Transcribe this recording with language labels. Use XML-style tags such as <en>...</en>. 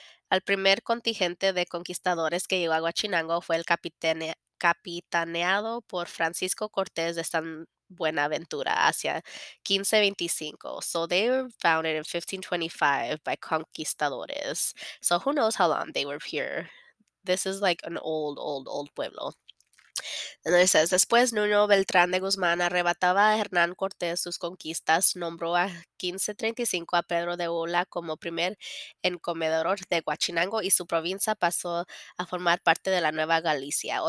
<es>El primer contingente de conquistadores que llegó a Huachinango fue el capitaneado por Francisco Cortés de San Buenaventura hacia 1525.</es> <en>So they were founded in 1525 by conquistadores. So who knows how long they were here. This is like an old pueblo. And it says,</en> <es>después Nuño Beltrán de Guzmán arrebataba a Hernán Cortés sus conquistas, nombró a 1535 a Pedro de Ola como primer encomendador de Huachinango y su provincia pasó a formar parte de la Nueva Galicia.</es>